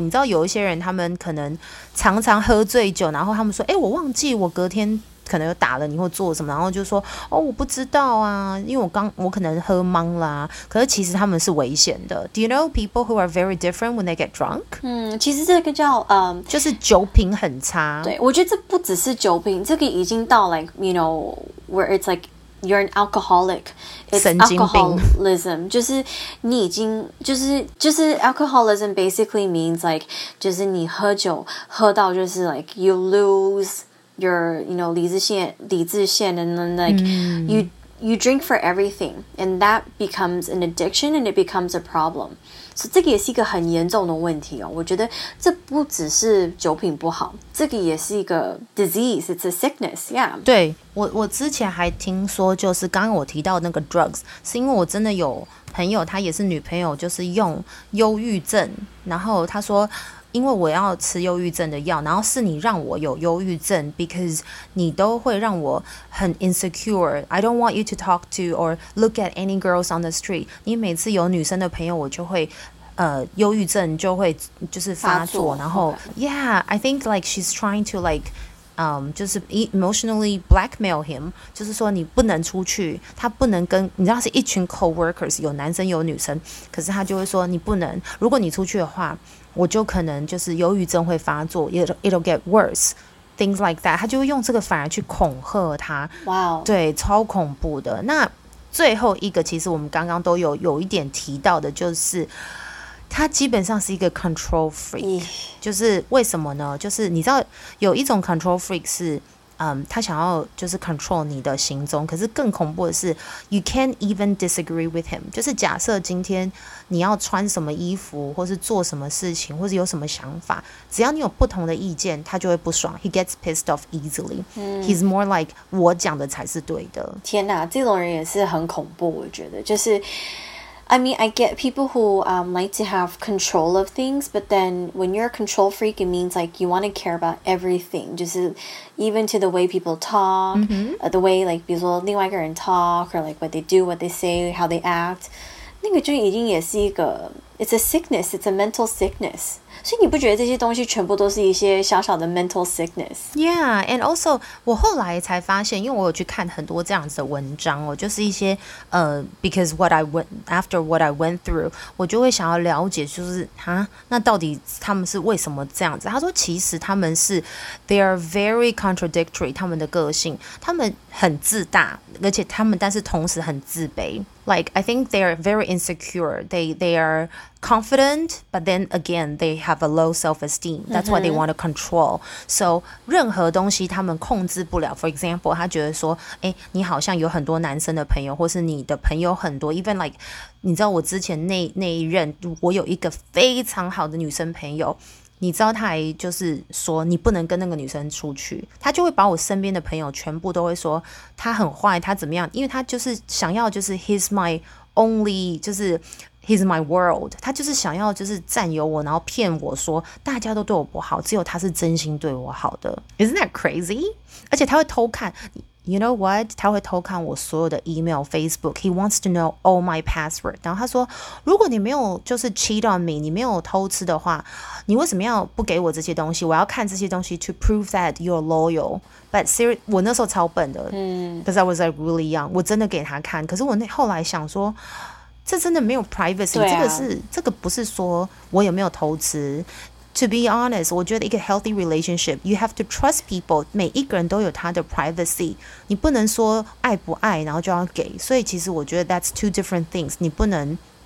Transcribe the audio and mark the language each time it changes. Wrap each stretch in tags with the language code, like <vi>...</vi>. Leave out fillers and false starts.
<zh>你知道有一些人他们可能常常喝醉酒，然后他们说，欸，我忘记我隔天可能有打了你或做什么，然后就说，哦，我不知道啊，因为我可能喝懵啦。可是其实他们是危险的。</zh> <en>Do you know people who are very different when they get drunk?</en> <zh>嗯，其实这个叫，就是酒品很差。对，我觉得这不只是酒品，这个已经到</zh> <en>like, you know, where it's like,You're an alcoholic. It's</en> <zh>神经病</zh> <en>alcoholism.</en> <zh>就是你已经就是</zh> <en>alcoholism basically means like</en> <zh>就是你喝酒喝到就是</zh> <en>like you lose your you know</en> <zh>理智线</zh> <en>and then like、mm. you drink for everything and that becomes an addiction and it becomes a problem.</en> <zh>So 这个也是一个很严重的问题哦。我觉得这不只是酒品不好，这个也是一个 disease.</zh> <en>It's a sickness.</en> <zh>Yeah. 对。我之前还听说，就是刚刚我提到那个 drugs， 是因为我真的有朋友，他也是女朋友，就是用忧郁症，然后他说，因为我要吃忧郁症的药，然后是你让我有忧郁症 ，because 你都会让我很 insecure。</zh> <en>I don't want you to talk to or look at any girls on the street。</en> <zh>你每次有女生的朋友，我就会。忧郁症就会就是发作，然后 ，</zh> <en>Yeah， I think like she's trying to like。</en> <zh>就是</zh> <en>emotionally blackmail him，</en> <zh>就是说你不能出去，他不能跟你知道是一群 coworkers， 有男生有女生，可是他就会说你不能，如果你出去的话，我就可能就是忧郁症会发作，</zh> <en>it'll get worse， things like that，</en> <zh>他就会用这个反而去恐吓他。哇、wow. 对，超恐怖的。那最后一个其实我们刚刚都有一点提到的，就是他基本上是一个 control freak， 就是为什么呢？就是你知道有一种 control freak 是，他想要就是 control 你的行踪，可是更恐怖的是 ，</zh> <en>you can't even disagree with him。</en> <zh>就是假设今天你要穿什么衣服，或是做什么事情，或是有什么想法，只要你有不同的意见，他就会不爽。</zh> <en>He gets pissed off easily.、嗯、 He's more like</en> <zh>我讲的才是对的。天哪，这种人也是很恐怖，我觉得就是。</zh> <en>I mean, I get people who like to have control of things, but then when you're a control freak, it means like you want to care about everything, just even to the way people talk,、 mm-hmm. The way like</en> <zh>比如说另外一个人</zh> <en>talk, or like what they do, what they say, how they act.</en> <zh>那个就已经也是一个</zh> <en>it's a sickness, it's a mental sickness.</en> <zh>所以你不觉得这些东西全部都是一些小小的 mental sickness? Yeah, and also 我后来才发现，因为我有去看很多这样子的文章哦，就是一些</zh> <en>because after what I went through,</en> <zh>我就会想要了解，就是啊，那到底他们是为什么这样子？他说其实他们是</zh> <en>they are very contradictory,</en> <zh>他们的个性，他们很自大，而且他们但是同时很自卑。</zh> <en>Like I think they are very insecure. They are confident, but then again, they have a low self-esteem. That's why they want to control.</en> <zh>So, 任何东西他们控制不了。</zh> <en>For example,</en> <zh>他觉得说，欸，你好像有很多男生的朋友，或是你的朋友很多。</zh> <en>Even like,</en> <zh>你知道我之前那一任，我有一个非常好的女生朋友。你知道他还就是说你不能跟那个女生出去，他就会把我身边的朋友全部都会说他很坏，他怎么样，因为他就是想要就是</zh> <en>he's my only,</en> <zh>就是</zh> <en>he's my world,</en> <zh>他就是想要就是占有我，然后骗我说大家都对我不好，只有他是真心对我好的。</zh> <en>Isn't that crazy?</en> <zh>而且他会偷看</zh> <en>You know what?</en> <zh>他会偷看我所有的</zh> <en>email, Facebook. He wants to know all my password.</en> <zh>然后他说，如果你没有就是</zh> <en>cheat on me,</en> <zh>你没有偷吃的话，你为什么要不给我这些东西？我要看这些东西</zh> <en>to prove that you're loyal. But seriously,</en> <zh>我那时候超笨的，</zh> <en>Because I was like really young.</en> <zh>我真的给他看，可是我后来想说，这真的没有 privacy. 对啊，这个不是说我有没有偷吃。</zh> <en>To be honest,</en> <zh>我觉得一个 healthy relationship,</zh> <en>you have to trust people,</en> <zh>每一个人都有他的 privacy, 你不能说爱不爱然后就要给，所以其实我觉得</zh> <en>that's two different things,</en> <zh>你不能</zh>